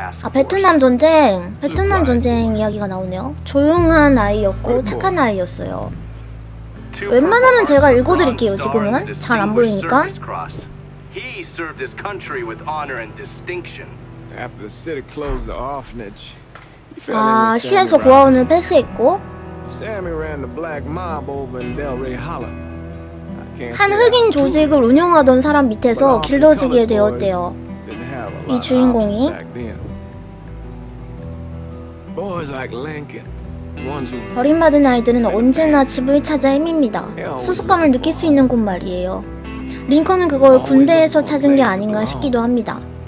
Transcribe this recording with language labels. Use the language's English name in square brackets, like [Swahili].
[Korean] 베트남 전쟁. 베트남 전쟁 이야기가 나오네요. 조용한 아이였고 착한 아이였어요. 웬만하면 제가 읽어드릴게요, 지금은. 잘 안 보이니까. [English] He served his country with honor and distinction. After the city closed the orphanage, he fell in with Sammy. [Korean] 시에서 고아원을 패스했고. [English] Sammy ran the black mob over in Delray Hollow. [Korean] 한 흑인 조직을 운영하던 사람 밑에서 길러지게 되었대요. 이 주인공이. [English] Boys like Lincoln. [Korean] 버림받은 아이들은 언제나 집을 찾아 헤맵니다. 소속감을 느낄 수 있는 곳 말이에요. 링컨은 그걸 군대에서 찾은 게 아닌가 싶기도 합니다.